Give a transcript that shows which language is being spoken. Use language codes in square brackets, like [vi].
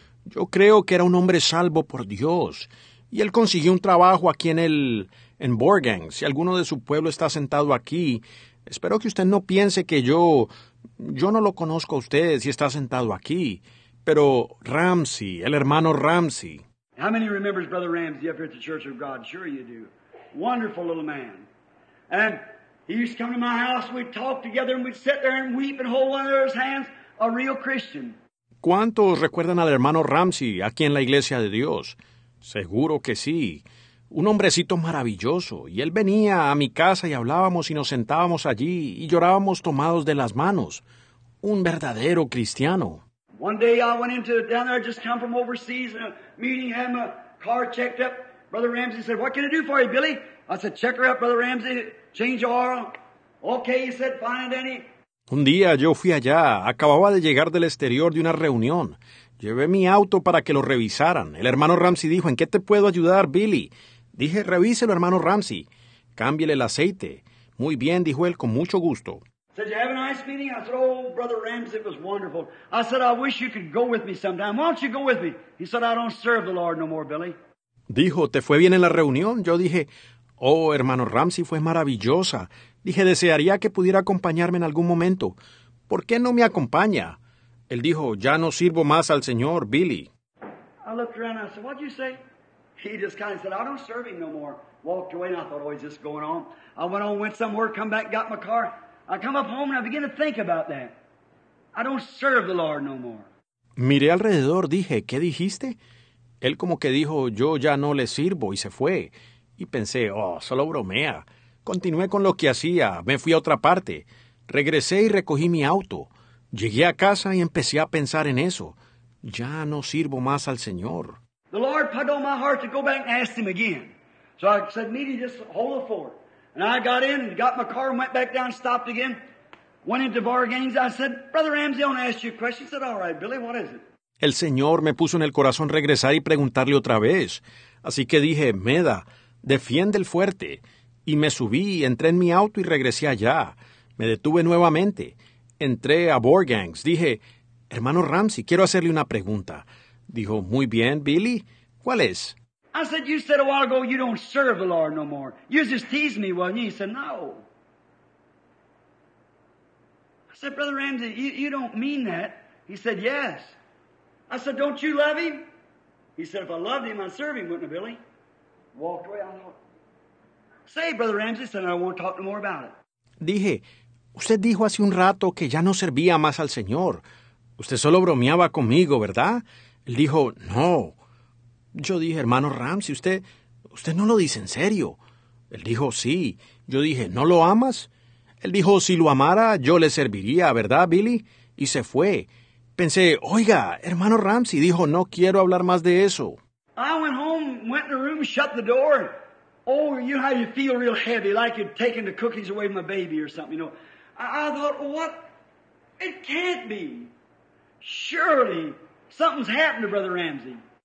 [es] Yo creo que era un hombre salvo por Dios. Y él consiguió un trabajo aquí en Bar Games. Si alguno de su pueblo está sentado aquí, espero que usted no piense que yo no lo conozco a usted si está sentado aquí. Pero Ramsey, el hermano Ramsey. [en] How many remembers Brother Ramsey up here at the Church of God? Sure you do. Wonderful little man. And he used to come to my house, we'd talk together and we'd sit there and weep and hold one another's hands, a real Christian. [es] ¿Cuántos recuerdan al hermano Ramsey aquí en la Iglesia de Dios? Seguro que sí. Un hombrecito maravilloso. Y él venía a mi casa y hablábamos y nos sentábamos allí y llorábamos tomados de las manos. Un verdadero cristiano. [en] One day I went into down there, I just come from overseas in a meeting, had my car checked up. Brother Ramsey said, what can I do for you, Billy? I said, check her up, Brother Ramsey, change your oil. Okay, he said, fine and dandy. [es] Un día yo fui allá, acababa de llegar del exterior de una reunión. Llevé mi auto para que lo revisaran. El hermano Ramsey dijo, ¿en qué te puedo ayudar, Billy? Dije, revíselo, hermano Ramsey. Cámbiele el aceite. Muy bien, dijo él, con mucho gusto. [en] Said, you have a nice meeting? I said, oh, Brother Ramsey, it was wonderful. I said, I wish you could go with me sometime. Why don't you go with me? He said, I don't serve the Lord no more, Billy. [es] Dijo, ¿te fue bien en la reunión? Yo dije, oh, hermano Ramsey, fue maravillosa. Dije, desearía que pudiera acompañarme en algún momento. ¿Por qué no me acompaña? Él dijo, ya no sirvo más al Señor, Billy. [en] I looked around and I said, what did you say? He just kind of said, I don't serve him no more. Walked away and I thought, oh, he's just going on. I went on, went somewhere, come back, got my car. I come up home and I begin to think about that. I don't serve the Lord no more. [es] Miré alrededor, dije, ¿qué dijiste? Él como que dijo, yo ya no le sirvo y se fue. Y pensé, oh, solo bromea. Continué con lo que hacía, me fui a otra parte. Regresé y recogí mi auto. Llegué a casa y empecé a pensar en eso. Ya no sirvo más al Señor. [en] The Lord put on my heart to go back and ask him again. So I said, meet him just hold the fort. And I got in, got my car, and went back down, stopped again. Went into Bar Gaines. I said, Brother Ramsey, I want to ask you a question. He said, all right, Billy, what is it? [es] El Señor me puso en el corazón regresar y preguntarle otra vez. Así que dije, Meda, defiende el fuerte. Y me subí, entré en mi auto y regresé allá. Me detuve nuevamente. Entré a Bar Gaines. Dije, hermano Ramsey, quiero hacerle una pregunta. Dijo, muy bien, Billy, ¿cuál es? [en] I said, you said a while ago you don't serve the Lord no more. You just teased me, wasn't you? He said, no. I said, Brother Ramsey, you don't mean that. He said, yes. I said, don't you love him? He said, if I loved him, I'd serve him, wouldn't I, Billy? Walked away. I thought, say, Brother Ramsey, said, I won't talk no more about it. [es] Dije, usted dijo hace un rato que ya no servía más al Señor. Usted solo bromeaba conmigo, ¿verdad? Él dijo, no. Yo dije, hermano Ramsey, usted no lo dice en serio. Él dijo, sí. Yo dije, ¿no lo amas? Él dijo, si lo amara, yo le serviría, ¿verdad, Billy? Y se fue. Pensé, oiga, hermano Ramsey, dijo, no quiero hablar más de eso. [en] I went home, went in the room, shut the door. Oh, you know how you feel real heavy, like you're taking the cookies away from a baby or something, you know. I thought, what? It can't be. Surely, something's happened to Brother Ramsey.